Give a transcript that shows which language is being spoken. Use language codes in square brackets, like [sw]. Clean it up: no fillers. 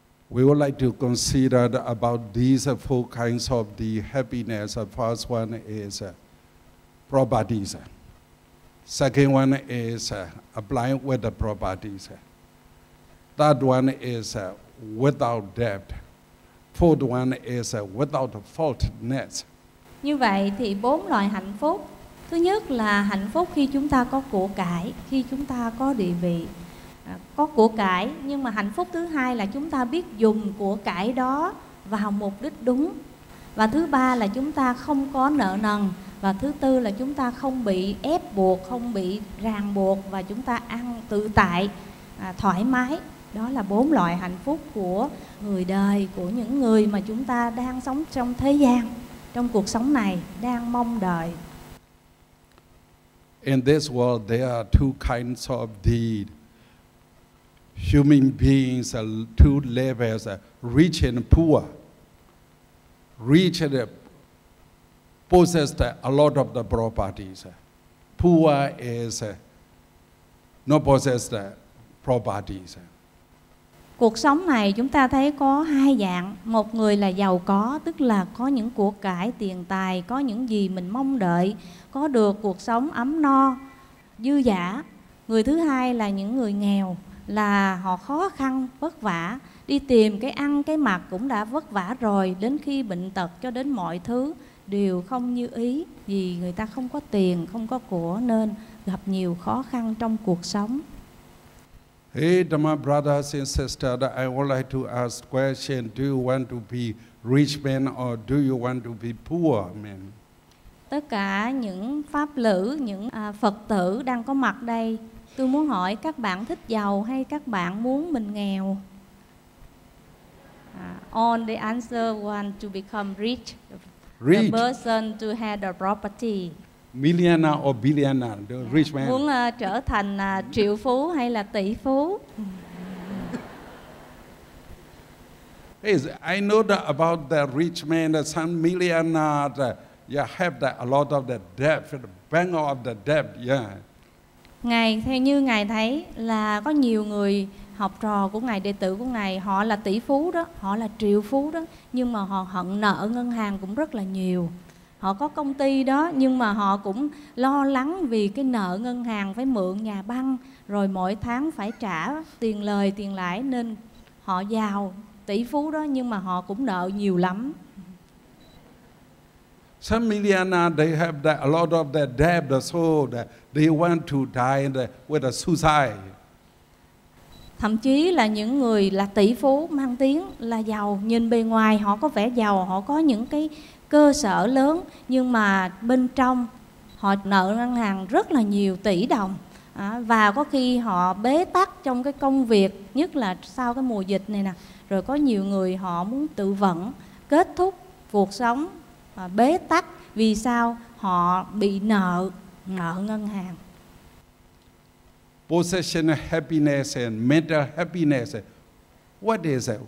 [en] We would like to consider about these four kinds of the happiness. The first one is properties. Second one is applying with the properties. Third one is without debt. Fourth one is without faultness. [vi] Như vậy thì bốn loại hạnh phúc. Thứ nhất là hạnh phúc khi chúng ta có của cải, khi chúng ta có địa vị, có của cải. Nhưng mà hạnh phúc thứ hai là chúng ta biết dùng của cải đó vào mục đích đúng. Và thứ ba là chúng ta không có nợ nần. Và thứ tư là chúng ta không bị ép buộc, không bị ràng buộc, và chúng ta ăn tự tại, thoải mái. Đó là bốn loại hạnh phúc của người đời, của những người mà chúng ta đang sống trong thế gian, trong cuộc sống này, đang mong đợi. [en] In this world, there are two kinds of deed. Human beings are two levels, rich and poor. Rich and possessed a lot of the properties. Poor is not possessed properties. [vi] Cuộc sống này chúng ta thấy có hai dạng. Một người là giàu có, tức là có những của cải, tiền tài, có những gì mình mong đợi, có được cuộc sống ấm no, dư dả. Người thứ hai là những người nghèo, là họ khó khăn, vất vả, đi tìm cái ăn, cái mặc cũng đã vất vả rồi, đến khi bệnh tật cho đến mọi thứ đều không như ý, vì người ta không có tiền, không có của nên gặp nhiều khó khăn trong cuộc sống. [en] Hey, Dharma brothers and sisters, I would like to ask question, do you want to be rich man or do you want to be poor man? [vi] Tất cả những pháp lữ, những Phật tử đang có mặt đây, tôi muốn hỏi các bạn thích giàu hay các bạn muốn mình nghèo? [en] On the answer, want to become rich. Rich. The person to have a property. Millionaire or billionaire, the rich man. [vi] Muốn trở thành triệu phú hay là tỷ phú? [en] Yes, I know that about the rich man, the some millionaire, have that a lot of the debt, the bank of the debt, [vi] Ngài, theo như Ngài thấy là có nhiều người học trò của Ngài, đệ tử của Ngài, họ là tỷ phú đó, họ là triệu phú đó, nhưng mà họ hận nợ ngân hàng cũng rất là nhiều. Họ có công ty đó, nhưng mà họ cũng lo lắng vì cái nợ ngân hàng, phải mượn nhà băng, rồi mỗi tháng phải trả tiền lời, tiền lãi, nên họ giàu, tỷ phú đó, nhưng mà họ cũng nợ nhiều lắm. [en] Some millionaire, they have that, a lot of their debt, so that they want to die with a suicide. [vi] Thậm chí là những người là tỷ phú, mang tiếng là giàu, nhìn bề ngoài họ có vẻ giàu, họ có những cái cơ sở lớn, nhưng mà bên trong họ nợ ngân hàng rất là nhiều tỷ đồng, và có khi họ bế tắc trong cái công việc, nhất là sau cái mùa dịch này nè, rồi có nhiều người họ muốn tự vẫn, kết thúc cuộc sống bế tắc vì sao họ bị nợ ngân hàng. [en] Possession happiness and mental happiness, what is it?